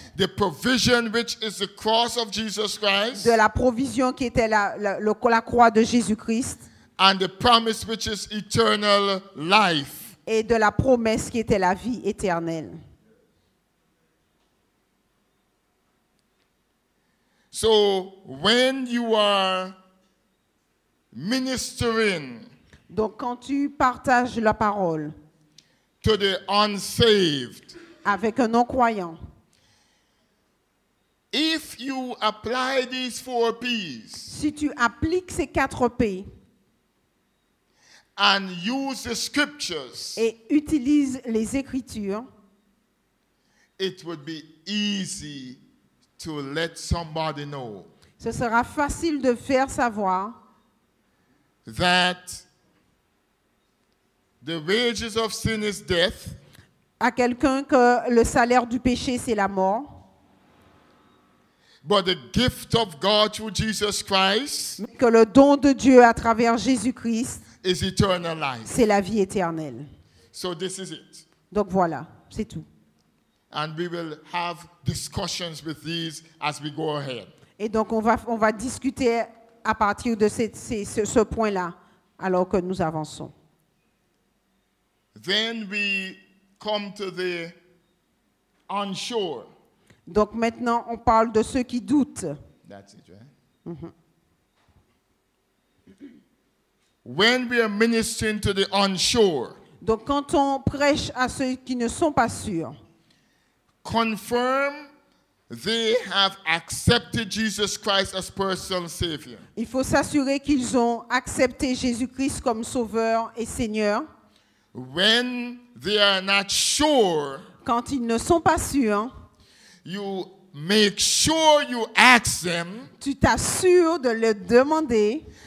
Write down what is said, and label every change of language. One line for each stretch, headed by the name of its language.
English: The provision which is the cross of Jesus Christ.
French: De la provision qui était la croix de Jésus-Christ.
English: And the promise which is eternal life.
French: Et de la promesse qui était la vie éternelle.
English: So when you are ministering.
French: Donc quand tu partages la parole.
English: To the unsaved.
French: Avec un non-croyant.
English: If you apply these four P's,
French: si tu appliques ces quatre P
English: and use the scriptures,
French: et utilise les Écritures,
English: it would be easy to let somebody know,
French: ce sera facile de faire savoir
English: that the wages of sin is death,
French: à quelqu'un que le salaire du péché, c'est la mort.
English: But the gift of God through Jesus Christ,
French: que le don de Dieu à travers Jésus-Christ,
English: is eternal life.
French: C'est la vie éternelle.
English: So this is it.
French: Donc voilà, c'est tout.
English: And we will have discussions with these as we go ahead.
French: Et donc on va discuter à partir de ce point-là, alors que nous avançons.
English: Then we come to the unsure.
French: Donc maintenant, on parle de ceux qui doutent.
English: That's it, right? Mm-hmm. When we are ministering to the unsure.
French: Donc quand on prêche à ceux qui ne sont pas sûrs.
English: Confirm they have accepted Jesus Christ as personal savior.
French: Il faut s'assurer qu'ils ont accepté Jésus-Christ comme sauveur et Seigneur.
English: When they are not sure,
French: quand ils ne sont pas sûrs,
English: you make sure you ask them,
French: tu t'assures de leur demander,